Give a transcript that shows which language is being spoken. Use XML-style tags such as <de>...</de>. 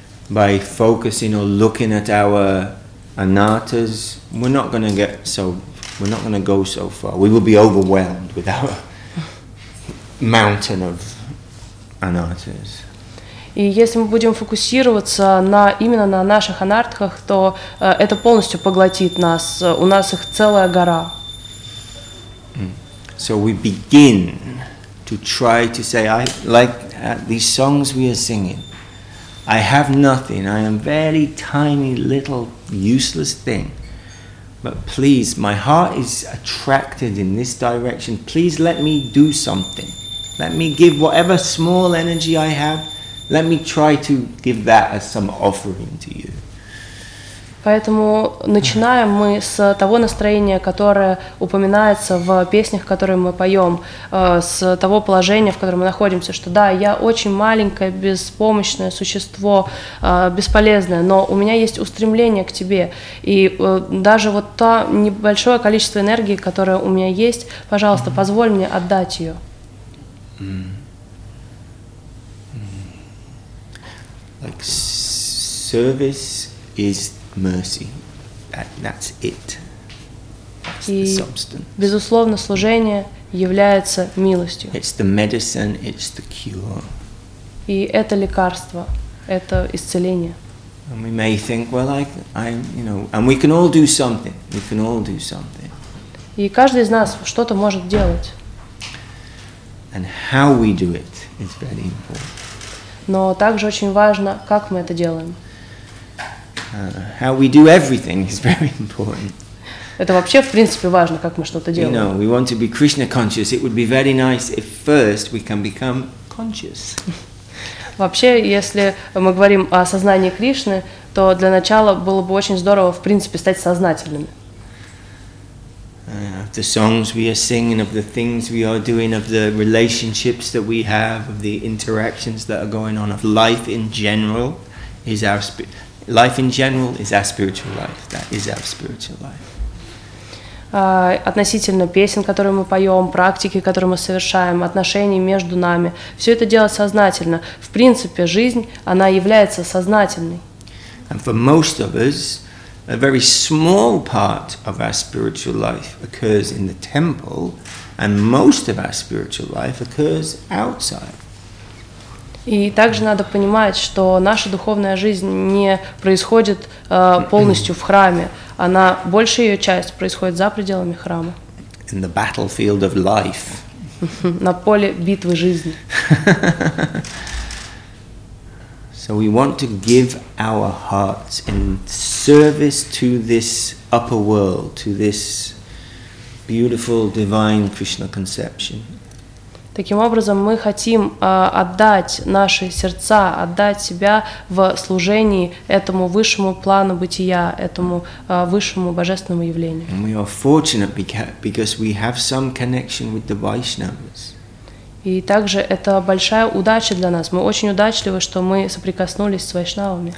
<en>By focusing or looking at our anattas, we're not going to go so far. We will be overwhelmed with our mountain of anattas.</en> <ru>И если мы будем фокусироваться именно на наших анартхах, то это полностью поглотит нас. У нас их целая гора.</ru> <en>So we begin to try to say, I like these songs we are singing. I have nothing. I am very tiny, little, useless thing. But please, my heart is attracted in this direction. Please let me do something. Let me give whatever small energy I have. Let me try to give that as some offering to you.</en> <ru>Поэтому начинаем мы с того настроения, которое упоминается в песнях, которые мы поем, с того положения, в котором мы находимся, что да, я очень маленькое, беспомощное существо, бесполезное, но у меня есть устремление к тебе. И даже вот то небольшое количество энергии, которое у меня есть, пожалуйста, позволь мне отдать ее.</ru> <en>Like service is mercy. That's it. That's the substance.</en> <ru>И, безусловно, служение является милостью.</ru> <en>It's the medicine, it's the cure.</en> <ru>И это лекарство, это исцеление.</ru> <en>And we may think, well, and we can all do something. We can all do something.</en> <ru>И каждый из нас что-то может делать.</ru> <en>And how we do it is very important.</en> <ru>Но также очень важно, как мы это делаем.</ru> <en>How we do everything is very important.</en> <ru>Это вообще, в принципе, важно, как мы что-то делаем.</ru> <en>You know, we want to be Krishna conscious. It would be very nice if first we can become conscious.</en> <ru>Вообще, если мы говорим о сознании Кришны, то для начала было бы очень здорово, в принципе, стать сознательными.</ru> <en>Of the songs we are singing, of the things we are doing, of the relationships that we have, of the interactions that are going on, of life in general, is our spirit. Life in general is our spiritual life. That is our spiritual life.</en> <ru>относительно песен, которые мы поем, практики, которые мы совершаем, отношений между нами. Все это делать сознательно. В принципе, жизнь, она является сознательной.</ru> <en>And for most of us, a very small part of our spiritual life occurs in the temple, and most of our spiritual life occurs outside.</en> <ru>И также надо понимать, что наша духовная жизнь не происходит полностью в храме. Она, большая ее часть, происходит за пределами храма.</ru> <en>In the battlefield of life.</en> <ru>На поле битвы жизни.</ru> <en>So we want to give our hearts in service to this upper world, to this beautiful divine Krishna conception.</en> <ru>Таким образом, мы хотим отдать наши сердца, отдать себя в служении этому высшему плану бытия, этому высшему божественному явлению.</ru> <en>And we are fortunate because we have some connection with the Vaishnavas.</en> <ru>И также это большая удача для нас. Мы очень удачливы, что мы соприкоснулись с Вайшнавами.</ru>